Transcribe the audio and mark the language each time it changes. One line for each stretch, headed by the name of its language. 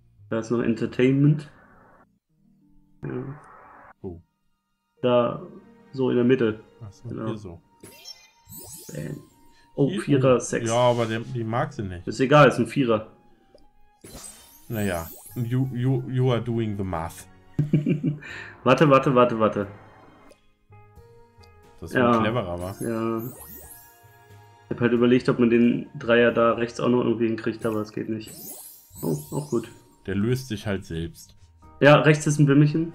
German: Da ist noch Entertainment. Ja. Oh. Da, so in der Mitte. Achso, genau. Hier so. Bam. Oh, Vierer, Sex. Ja, aber die mag sie nicht. Ist egal, ist ein Vierer. Naja,
English: you are doing the math.
German: warte. Das ist ja cleverer, aber. Ja. Ich hab halt überlegt, ob man den Dreier da rechts auch noch irgendwie hinkriegt, aber es geht nicht. Oh, auch gut. Der löst sich halt selbst. Ja, rechts ist ein Bimmelchen.